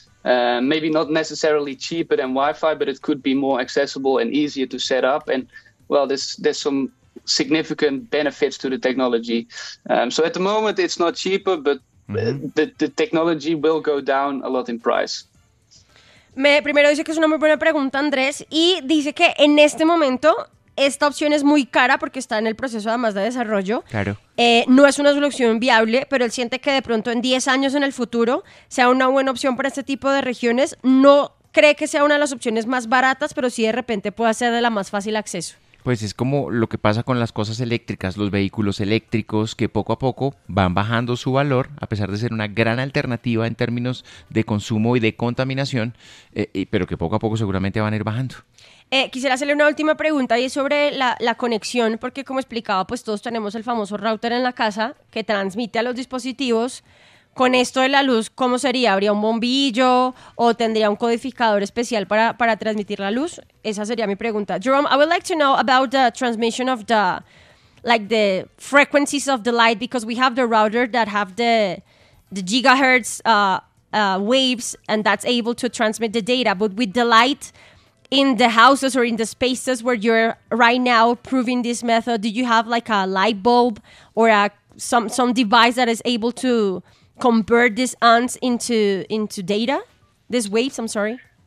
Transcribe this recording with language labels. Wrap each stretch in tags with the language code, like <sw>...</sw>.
<en>Maybe not necessarily cheaper than Wi-Fi, but it could be more accessible and easier to set up. And, well, there's some significant benefits to the technology. So at the moment it's not cheaper, but the technology will go down a lot in price.</en> <es>Primero dice que es una muy buena pregunta, Andrés, y dice que en este momento esta opción es muy cara porque está en el proceso además de desarrollo. Claro. No es una solución viable, pero él siente que de pronto en 10 años en el futuro sea una buena opción para este tipo de regiones. No cree que sea una de las opciones más baratas, pero sí de repente puede ser de la más fácil acceso. Pues es como lo que pasa con las cosas eléctricas, los vehículos eléctricos, que poco a poco van bajando su valor, a pesar de ser una gran alternativa en términos de consumo y de contaminación, pero que poco a poco seguramente van a ir bajando. Quisiera hacerle una última pregunta y es sobre la conexión, porque como explicaba, pues todos tenemos el famoso router en la casa que transmite a los dispositivos. Con esto de la luz, ¿cómo sería? ¿Habría un bombillo o tendría un codificador especial para transmitir la luz? Esa sería mi pregunta.</es> <en>Jerome, I would like to know about the transmission of the, like, the frequencies of the light, because we have the router that have the gigahertz waves, and that's able to transmit the data. But with the light in the houses or in the spaces where you're right now proving this method, do you have like a light bulb or some device that is able to convert these ants into data, these waves, I'm sorry?</en>